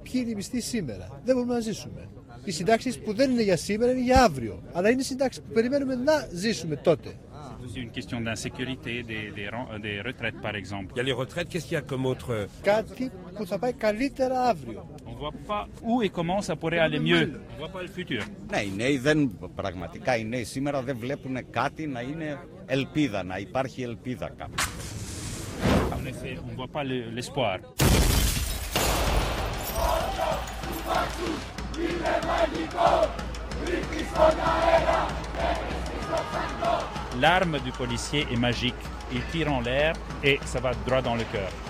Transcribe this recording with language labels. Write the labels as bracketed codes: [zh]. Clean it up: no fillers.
[el] Ποιοι είναι οι μισθοί σήμερα. Δεν μπορούμε να ζήσουμε. Οι συντάξεις που δεν είναι για σήμερα είναι για αύριο. Αλλά είναι συντάξεις που περιμένουμε να ζήσουμε τότε. [fr] C'est une question d'insécurité, des retraites par exemple. Il y a les retraites, qu'est-ce qu'il y a comme autre ? [el] Κάτι που θα πάει καλύτερα αύριο. [fr] On ne voit pas où et comment ça pourrait aller mieux. On ne voit pas le futur. [el] Ναι, οι νέοι δεν, πραγματικά οι νέοι σήμερα δεν βλέπουν κάτι να είναι ελπίδα, να υπάρχει ελπίδα κάπου. [fr] En effet, on ne voit pas l'espoir. Oh, L'arme du policier est magique. Il tire en l'air et ça va droit dans le cœur.